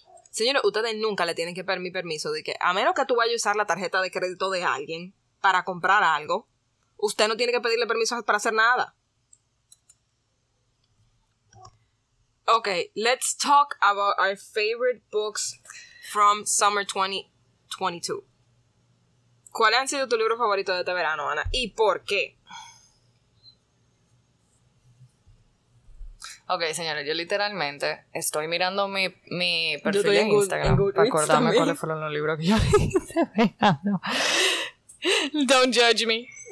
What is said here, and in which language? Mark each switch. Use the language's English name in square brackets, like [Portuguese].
[Spanish] Señores, ustedes nunca le tienen que pedir mi permiso de que, a menos que tú vayas a usar la tarjeta de crédito de alguien para comprar algo, usted no tiene que pedirle permiso para hacer nada. [English] Ok, let's talk about our favorite books from summer 2022. [Spanish] ¿Cuáles han sido tus libros favoritos de este verano, Ana? ¿Y por qué? Ok, señores, yo literalmente estoy mirando mi perfil en Instagram para acordarme cuáles fueron los libros que yo leí este verano. [English] Don't judge me.